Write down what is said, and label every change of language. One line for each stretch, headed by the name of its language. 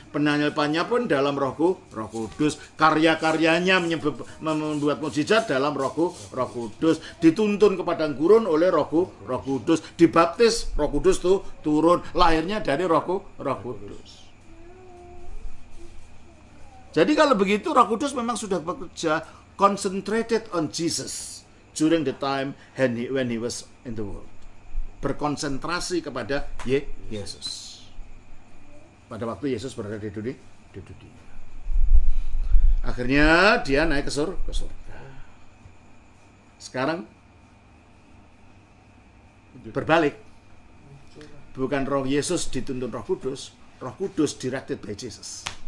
Indonesian: Penyalipannya pun dalam rohku, roh kudus. Karya-karyanya membuat mujizat dalam rohku, roh kudus. Dituntun ke padang gurun oleh rohku, roh kudus. Dibaptis, roh kudus tuh turun. Lahirnya dari rohku, roh kudus. Jadi kalau begitu, roh kudus memang sudah bekerja
English: concentrated on Jesus during the time when he was in the world.
Indonesian: Berkonsentrasi kepada Yesus pada waktu Yesus berada di dunia, akhirnya dia naik ke surga. Sekarang berbalik, bukan roh Yesus dituntun roh kudus, roh kudus
English: directed by Jesus.